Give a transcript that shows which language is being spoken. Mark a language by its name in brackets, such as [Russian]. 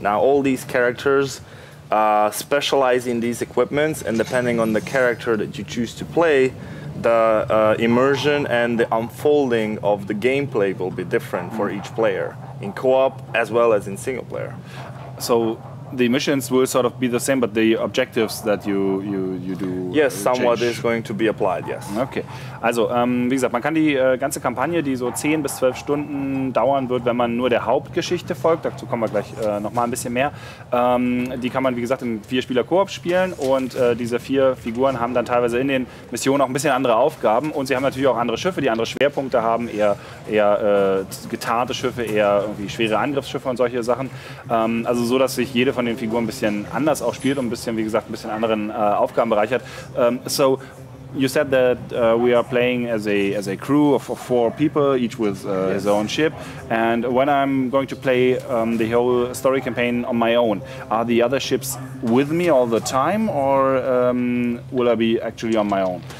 [English] Now all these characters specialize in these equipments, and depending on the character that you choose to play, the immersion and the unfolding of the gameplay will be different for each player in co-op as well as in single player. So the missions will sort of be the same, but the objectives that you do, yes, somewhat change. Is going to be applied, yes. Okay. [German] Also, wie gesagt, man kann die ganze Kampagne, die so 10 bis 12 Stunden dauern wird, wenn man nur der Hauptgeschichte folgt, dazu kommen wir gleich nochmal ein bisschen mehr, die kann man, wie gesagt, in 4 Spieler-Koop spielen und diese 4 Figuren haben dann teilweise in den Missionen auch ein bisschen andere Aufgaben und sie haben natürlich auch andere Schiffe, die andere Schwerpunkte haben, eher getarnte Schiffe, eher irgendwie schwere Angriffsschiffe und solche Sachen. Also so, dass sich jede von den Figuren ein bisschen anders auch spielt und ein bisschen, wie gesagt, ein bisschen anderen Aufgabenbereich hat. [English] So, you said that we are playing as a crew of 4 people, each with yes. his own ship. And when I'm going to play the whole story campaign on my own, are the other ships with me all the time, or will I be actually on my own?